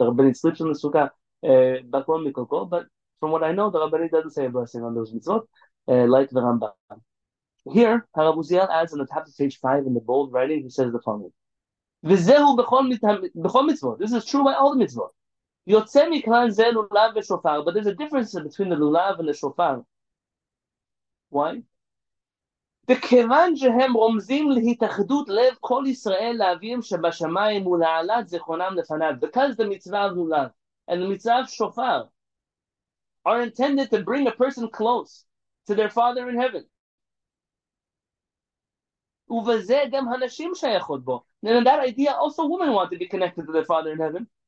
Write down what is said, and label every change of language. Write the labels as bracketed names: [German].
[English] The rabbanit sleeps in the sukkah. But from what I know, the rabbanit doesn't say a blessing on those mitzvot, like the Rambam. Here, Harav Uziel adds on the top of page 5 in the bold writing, he says the following. [Hebrew] V'zehu b'chol mitzvot. [English] This is true by all the mitzvot. [Hebrew] Yotze miklan zeh lulav v'shofar. [English] But there's a difference between the lulav and the shofar. Why? [Hebrew] וכיוון שהם רומזים להתאחדות לב כל ישראל לאבים שבשמיים ולהעלת זיכרונם לפניו. [English] Because the mitzvah of lulav and the mitzvah of shofar are intended to bring a person close to their father in heaven. [Hebrew] ובזה גם הנשים שייכות בו. [English] And in that idea, also women want to be connected to their father in heaven.